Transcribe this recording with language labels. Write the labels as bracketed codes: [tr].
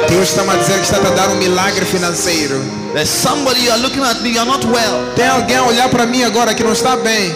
[pt] Deus está me dizendo que está a dar milagre financeiro. [en] There's somebody you are looking at me, you are not well. [pt] Tem alguém a olhar para mim agora que não está bem.